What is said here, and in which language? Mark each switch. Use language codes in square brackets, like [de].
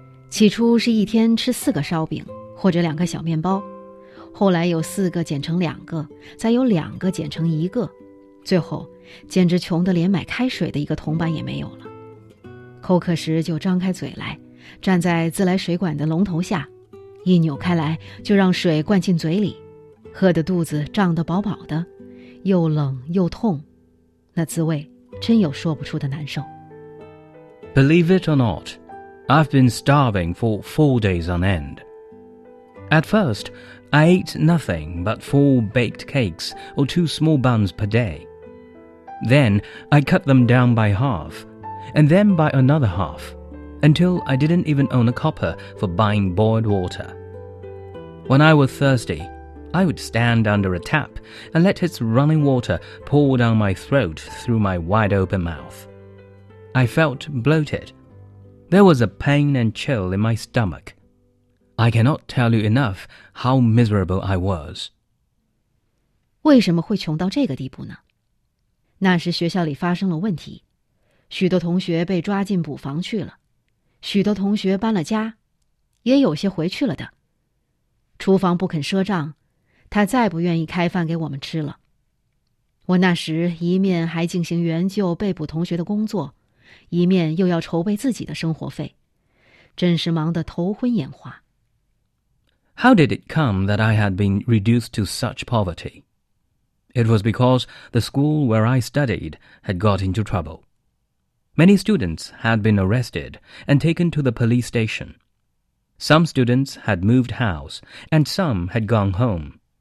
[zh] 起初是一天吃4个烧饼或者2个小面包，后来有4个减成2个，再有2个减成1个，最后简直穷得连买开水的一个铜板也没有了。口渴时就张开嘴来，站在自来水管的龙头下，一扭开来就让水灌进嘴里，喝得肚子胀得饱饱的，又冷又痛，那滋味真有说不出的难受。 [en] Believe it or not, I've been starving for 4 days on end. At first, I ate nothing but 4 baked cakes or 2 small buns per day. Then, I cut them down by half, and then by another half. Until I didn't even own a copper for buying boiled water. When I was thirsty, I would stand under a tap and let its running water pour down my throat through my wide open mouth. I felt bloated. There was a pain and chill in my stomach. I cannot tell you enough how miserable I was. [zh] 为什么会穷到这个地步呢？那时学校里发生了问题，许多同学被抓进捕房去了。许多同学搬了家，也有些回去了的。厨房不肯赊账，他再不愿意开饭给我们吃了。我那时一面还进行援救被捕同学的工作，一面又要筹备自己的生活费，真是忙得头昏眼花。 [en] How did it come that I had been reduced to such poverty? It was because the school where I studied had got into trouble. Many students had been arrested and taken to the police station. Some students had moved house, and some had gone home.